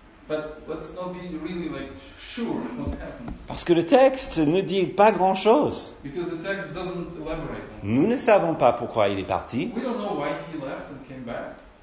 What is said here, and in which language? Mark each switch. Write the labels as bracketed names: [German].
[English] But let's not be really, like, sure what happened. [French] Parce que le texte ne dit pas grand-chose. [English] Because the text doesn't elaborate on this. [French] Nous ne savons pas pourquoi il est parti. [English] We don't know why he left and came back.